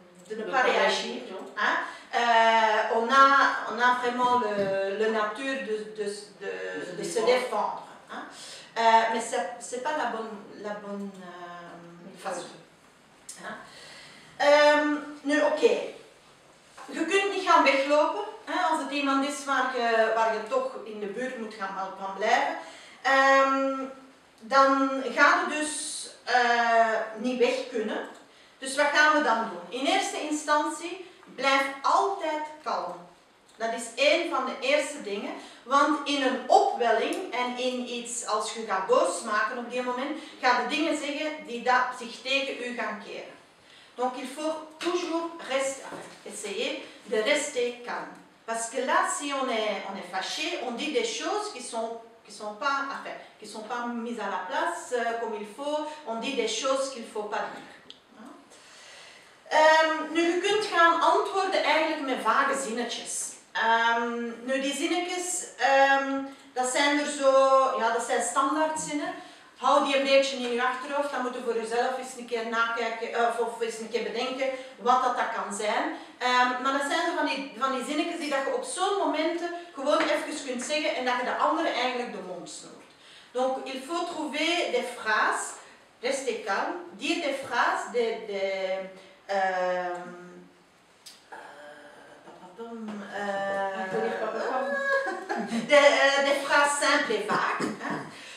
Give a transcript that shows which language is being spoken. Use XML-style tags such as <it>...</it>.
<fr>de ne pas réagir. Hein? On a vraiment le nature de se défendre. Hein? Mais ce n'est pas la bonne façon.</fr> <nl>Hein? Nu, oké. Okay. Je kunt niet gaan weglopen hein, als het iemand is waar je toch in de buurt moet gaan van blijven. Dan gaan we dus niet weg kunnen. Dus wat gaan we dan doen? In eerste instantie, blijf altijd kalm. Dat is één van de eerste dingen. Want in een opwelling en in iets als je gaat boos maken op die moment, ga je dingen zeggen die dat zich tegen u gaan keren.</nl> <fr>Donc il faut toujours essayer de rester calme. Parce que là, si on est fâché, on dit des choses qui sont pas mises à la place comme il faut, on dit des choses qu'il faut pas dire.</fr> <nl>Nu, je kunt gaan antwoorden eigenlijk met vage zinnetjes. Nu, die zinnetjes, dat zijn standaard zinnen. Hou die een beetje in je achterhoofd, dan moet je voor jezelf eens een keer nakijken of eens een keer bedenken wat dat kan zijn. Maar dat zijn van die zinnetjes die dat je op zo'n moment gewoon even kunt zeggen en dat je de andere eigenlijk de mond snoert.</nl> <fr>Donc, il faut trouver des phrases, restez calme, dire des phrases, des phrases simples et vagues. Hein?</fr>